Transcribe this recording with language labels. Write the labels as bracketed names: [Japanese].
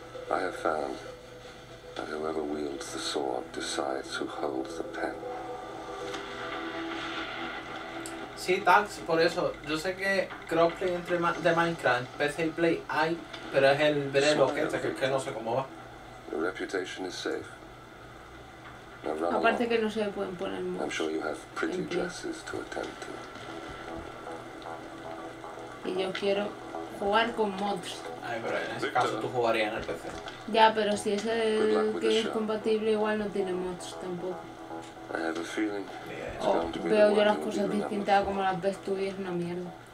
[English] I have found that whoever wields the sword decides who holds the pen. [Spanish] Sí, Tax, por eso. Yo sé que crossplay entre de Minecraft, PC y Play hay, pero es el verelo que no sé cómo va. [English] Your reputation is safe. [Spanish] Aparte que no se pueden poner mucho. [English] I'm sure you have pretty dresses to attend to. [Spanish] Y yo quiero jugar con mods. Ay, pero en ese caso tú jugarías en el PC. Ya, pero si es el que es compatible, igual no tiene mods tampoco. [English] I have a feeling. [Spanish] Veo yo las cosas distintas como las ves tú y es una mierda.